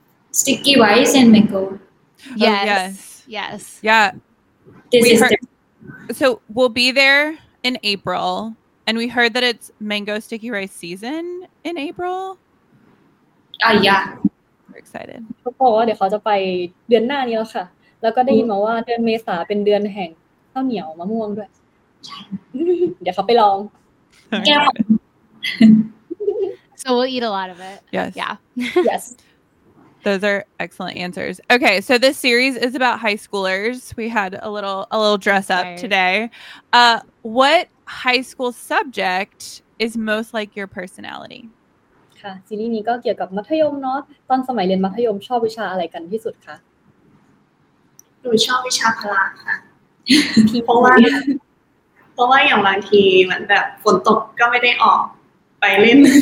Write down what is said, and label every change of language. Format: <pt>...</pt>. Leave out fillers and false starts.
<en>Sticky rice and mango. Yes. Yeah. This is so we'll be there in April, and we heard that it's mango sticky rice season in April. Yeah. We're excited.</en> <th>เขาบอกว่าเดี๋ยวเขาจะไปเดือนหน้านี้แล้วค่ะแล้วก็ได้ยินมาว่าเดือนเมษาเป็นเดือนแห่งข้าวเหนียวมะม่วงด้วย ใช่ เดี๋ยวเขาไปลอง แก้ว</th> <en>So we'll eat a lot of it. Yes. Yeah. Yes. Those are excellent answers. Okay, so this series is about high schoolers. We had a little dress up today. What high school subject is most like your personality?</en> <th>ค่ะซีรีส์นี้ก็เกี่ยวกับมัธยมเนาะตอนสมัยเรียนมัธยมชอบวิชาอะไรกันที่สุดคะ หนูชอบวิชาพละค่ะเพราะว่าอย่างบางทีเหมือนแบบฝนตกก็ไม่ได้ออกไปเล่น</th>